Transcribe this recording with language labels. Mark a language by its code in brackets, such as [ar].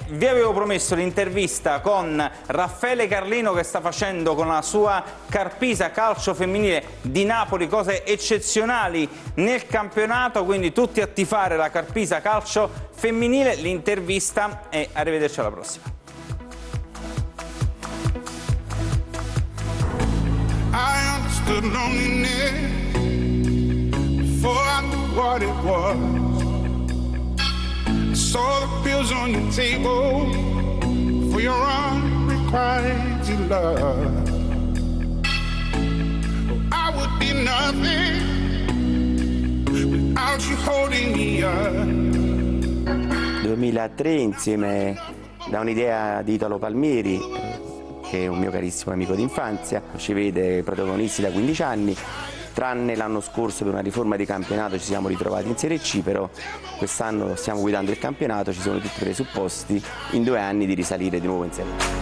[it] Vi avevo promesso l'intervista con Raffaele Carlino, che sta facendo con la sua Carpisa calcio femminile di Napoli cose eccezionali nel campionato, quindi tutti a tifare la Carpisa calcio femminile, l'intervista, e arrivederci alla prossima. [en] I understood loneliness before I knew what it was. I saw the pills on your table for your unrequited love. I would be nothing without you holding me up. [it] 2003, insieme da un'idea di Italo Palmieri, che è un mio carissimo amico d'infanzia, ci vede protagonisti da 15 anni, tranne l'anno scorso per una riforma di campionato ci siamo ritrovati in Serie C, però quest'anno stiamo guidando il campionato, ci sono tutti i presupposti in 2 anni di risalire di nuovo in Serie A.